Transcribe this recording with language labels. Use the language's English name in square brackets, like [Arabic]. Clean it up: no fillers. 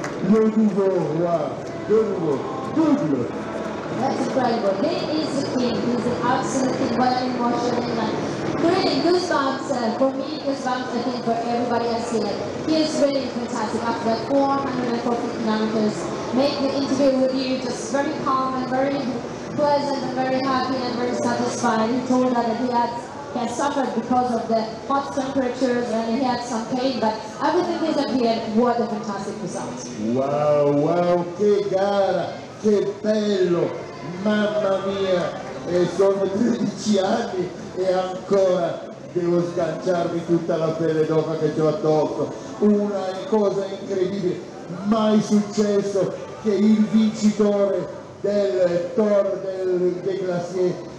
[French] le nouveau roi, le nouveau double. [English] That's incredible. He is the king. He's absolutely incredible. Really goosebumps for me, goosebumps I think for everybody I see it. He is really fantastic. After the 440 kilometers, make the interview with you just very calm and very pleasant and very happy and very satisfied. He told us that he had suffered because of the hot temperatures and he had some pain, but everything disappeared. What a fantastic result. [Italian] Wow, wow, che gara! Che bello, mamma mia, e sono 13 anni e ancora devo sganciarmi tutta la pelle d'oca che ho addosso. Una cosa incredibile, mai successo che il vincitore del Tour de Glacier